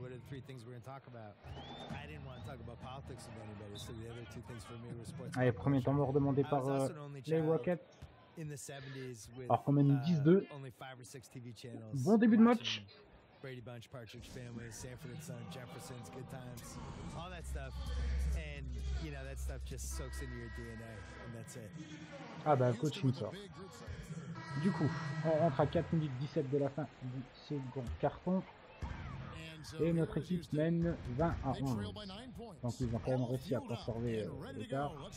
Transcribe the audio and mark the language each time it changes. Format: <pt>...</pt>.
<en>What are the three things we're going to talk about? I didn't want to talk about politics with anybody, so the other two things for me were sports.</en> <fr>Allez, premier temps mort demandé par les Rockets.</fr> <en>In the 70s with,</en> <fr>alors qu'on mène 10-2.</fr> <en>Only 5 or 6 TV channels.</en> <fr>Bon début de match.</fr> <en>Brady Bunch, Partridge Family, Sanford and Son, Jefferson's, Good Times, all that stuff. And, you know, that stuff just soaks into your DNA, and that's it.</en> <fr>Ah bah, coach, il me sort. Du coup, on rentre à 4 minutes 17 de la fin du second carton. Et notre équipe mène 20 à 1. Donc ils ont quand même réussi à conserver l'écart.</fr>